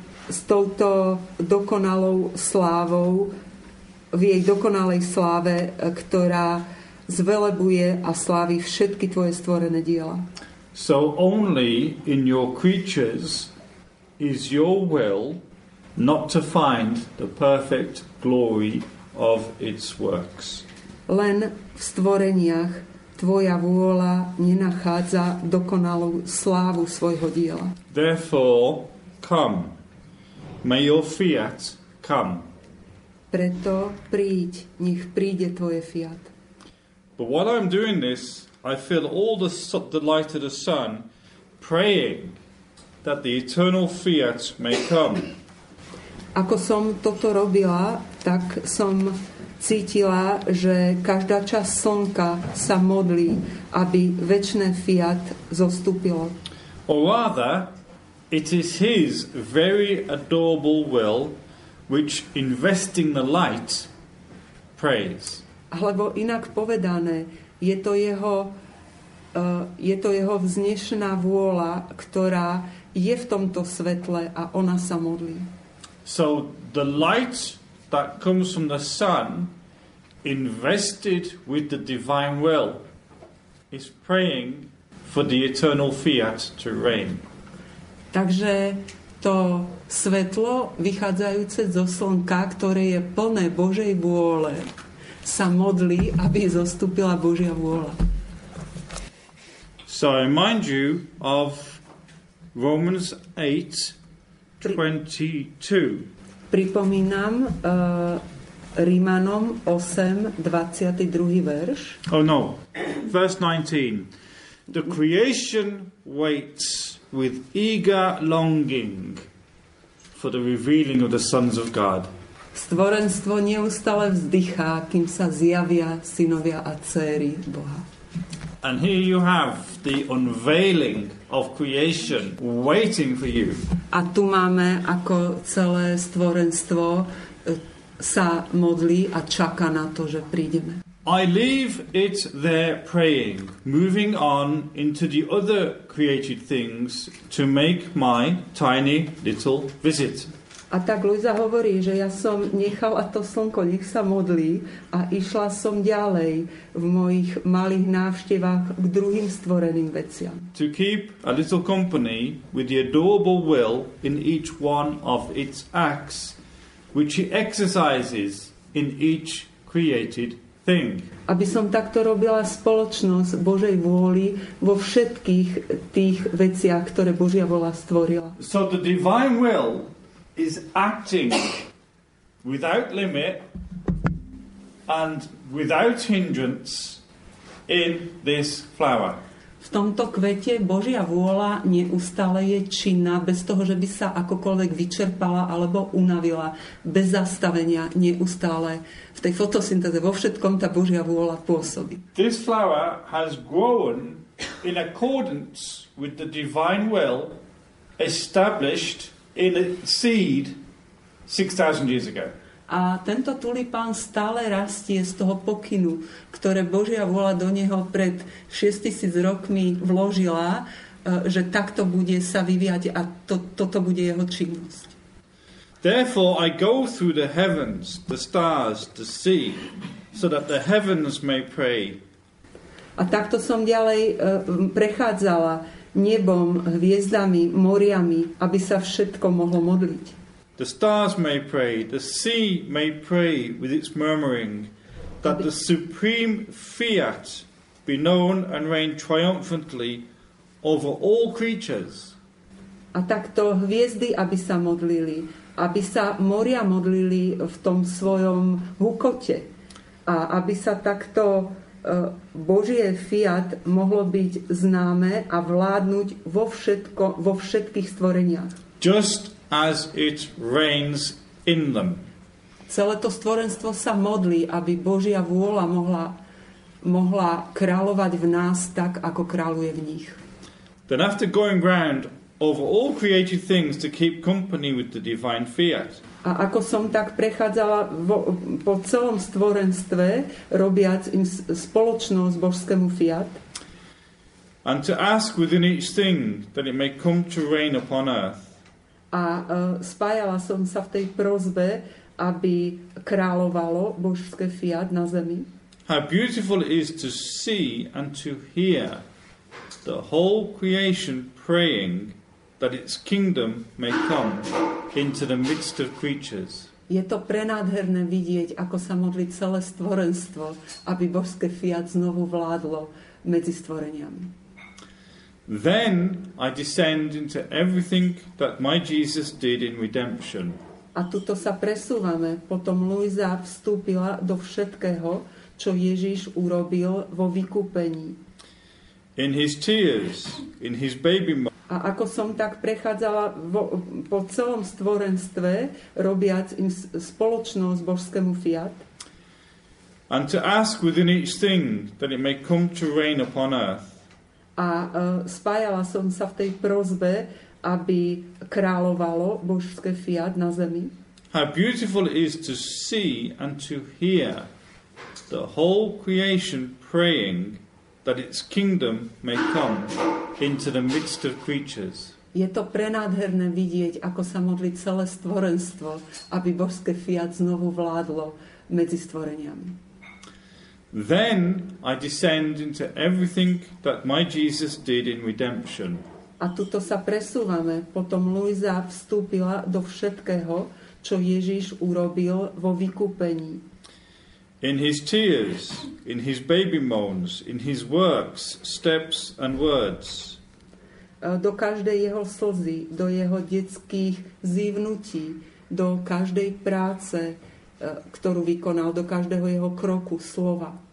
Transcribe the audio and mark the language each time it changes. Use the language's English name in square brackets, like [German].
[Czech] S touto dokonalou slávou, [Slovak] v jej dokonalej sláve, ktorá zvelebuje a slávi všetky tvoje stvorené diela. [English] So only in your creatures is your will not to find the perfect glory of its works. [Slovak] Len v stvoreniach tvoja vôľa nenachádza dokonalú slávu svojho diela. [English] Therefore, come. May your fiat come. [Slovak] Preto príď, nech príde tvoje fiat. [English] But while I'm doing this, I feel all the light of the sun praying that the eternal fiat may come. [Slovak] Ako som toto robila, tak som cítila, že každá časť slnka sa modlí, aby večné fiat zostúpilo. [English] Or rather, it is his very adorable will which investing the light prays. [Slovak] Alebo inak povedané, je to jeho vznešená vôľa, ktorá je v tomto svetle a ona sa modlí. [English] So the light that comes from the sun invested with the divine will is praying for the eternal fiat to reign. [Slovak] Takže to svetlo vychádzajúce zo slnka, ktoré je plné Božej vôle, sa modlí, aby zostúpila Božia vôľa. [English] So I remind you of Romans 8:22. [Slovak] Pripomínam Rímanom 8:22 verš. [English] Oh no. Verse 19. The creation waits with eager longing for the revealing of the sons of God. [Slovak] Stvorenstvo neustále vzdychá, kým sa zjavia synovia a dcéry Boha. [English] And here you have the unveiling of creation waiting for you. [Slovak] A tu máme ako celé stvorenstvo sa modlí a čaká na to, že prídeme. [English] I leave it there praying, moving on into the other created things to make my tiny little visit. [Slovak] A tak Luisa hovorí, že ja som nechala to slnko, nech sa modlí a išla som ďalej v mojich malých návštevách k druhým stvoreným veciam. [English] To keep a little company with the adorable will in each one of its acts, which he exercises in each created thing. [Slovak] Aby som takto robila spoločnosť Božej vôli vo všetkých tých veciach, ktoré Božia vôľa stvorila. [English] So the divine will is acting without limit and without hindrance in this flower. [Slovak] V tomto kvete Božia vôľa neustále je činná, bez toho, že by sa akokoľvek vyčerpala alebo unavila, bez zastavenia, neustále. V tej fotosyntéze, vo všetkom tá Božia vôľa pôsobí. [English] This flower has grown in accordance with the divine will established in a seed 6,000 years ago. [Slovak] A tento tulipán stále rastie z toho pokynu, ktoré Božia vôľa do neho pred 6000 rokmi vložila, že takto bude sa vyvíjať a toto bude jeho činnosť. [English] Therefore I go through the heavens, the stars, the sea, so that the heavens may pray. [Slovak] A takto som ďalej prechádzala nebom, hviezdami, moriami, aby sa všetko mohlo modliť. [English] The stars may pray, the sea may pray with its murmuring, that the supreme fiat be known and reign triumphantly over all creatures. [Slovak] A takto hviezdy, aby sa modlili, aby sa moria modlili v tom svojom hukote a aby sa takto Božie fiat mohlo byť známe a vládnuť vo všetkých stvoreniach. [English] Just as it reigns in them. [Slovak] Celé to stvorenstvo sa modlí, aby Božia vôľa mohla kráľovať v nás tak, ako kráľuje v nich. [English] Then after going round over all created things to keep company with the divine fiat. [Slovak] A ako som tak prechádzala po celom stvorenstve, robiac im spoločnosť božskému fiat. [English] And to ask within each thing that it may come to reign upon earth. [Slovak] A spájala som sa v tej prosbe, aby kráľovalo božské fiat na zemi. [English] How beautiful it is to see and to hear the whole creation praying that its kingdom may come into the midst of creatures. [Slovak] Je to prenádherné vidieť, ako sa modlí celé stvorenstvo, aby božské fiat znovu vládlo medzi stvoreniami. [English] Then I descend into everything that my Jesus did in redemption. [Slovak] A tuto sa presúvame, potom Luisa vstúpila do všetkého, čo Ježiš urobil vo vykúpení. [English] In his tears, in his baby mouth. [Slovak] A ako som tak prechádzala po celom stvorenstve, robiac im spoločnosť božskému fiat. [English] And to ask within each thing that it may come to reign upon earth. [Slovak] A spájala som sa v tej prosbe, aby kráľovalo božské fiat na zemi. [English] How beautiful it is to see and to hear the whole creation praying that its kingdom may come into the midst of creatures. [Slovak] Je to prenádherné vidieť, ako sa modlí celé stvorenstvo, aby božské fiat znovu vládlo medzi stvoreniami. [English] Then I descend into everything that my Jesus did in redemption. [Slovak] A tuto sa presúvame, potom Luisa vstúpila do všetkého, čo Ježiš urobil vo vykúpení. [English] In his tears, in his baby moans, in his works, steps and words. [Slovak] Do každej jeho slzy, do jeho detských zívnutí, do každej práce, ktorú vykonal, do každého jeho kroku, slova.